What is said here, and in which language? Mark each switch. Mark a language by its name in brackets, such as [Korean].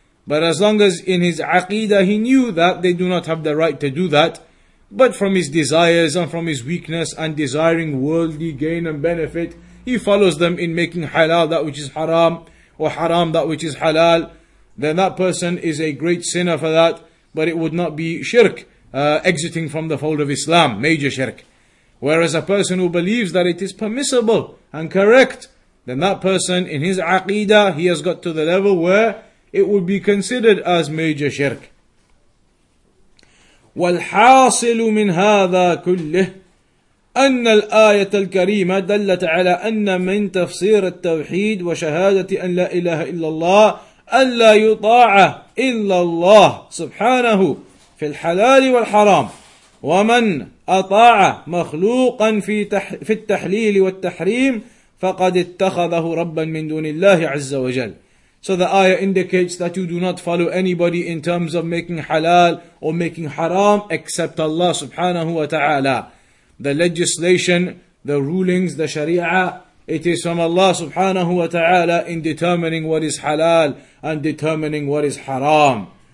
[English] But as long as in his aqidah he knew that they do not have the right to do that, but from his desires and from his weakness and desiring worldly gain and benefit, he follows them in making halal that which is haram, or haram that which is halal, then that person is a great sinner for that, but it would not be shirk, exiting from the fold of Islam, major shirk. Whereas a person who believes that it is permissible and correct, then that person in his aqidah, he has got to the level where it would be considered as major shirk. [Arabic] وَالْحَاصِلُ مِنْ هَذَا كُلِّهِ أن الآية الكريمة دلت على أن من تفسير التوحيد وشهادة أن لا إله إلا الله أن لا يطاع إلا الله سبحانه في الحلال والحرام ومن أطاع مخلوقا في التحليل والتحريم فقد اتخذه ربا من دون الله عز وجل. [English] So the ayah indicates that you do not follow anybody in terms of making halal or making haram except Allah subhanahu wa ta'ala. The legislation, the rulings, the sharia, it is from Allah subhanahu wa ta'ala in determining what is halal and determining what is haram.